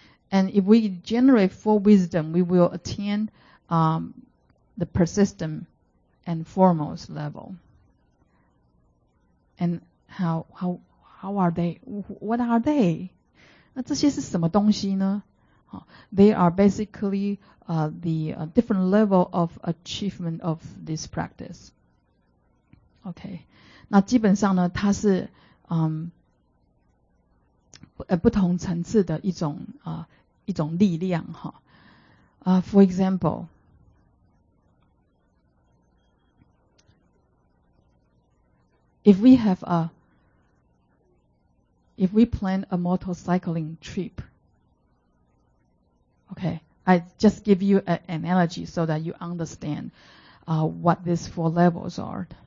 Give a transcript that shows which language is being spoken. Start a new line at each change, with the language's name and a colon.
English: And if we generate full wisdom, we will attain the persistent and foremost level. And how are they? What are they?
Chinese: 那这些是什么东西呢?
English: They are basically the different level of achievement of this practice. Okay.
Chinese: 那基本上呢它是不同层次的一种一种力量。
English: For example,If we plan a motorcycling trip, okay, I just give you an analogy so that you understand, what these four levels are.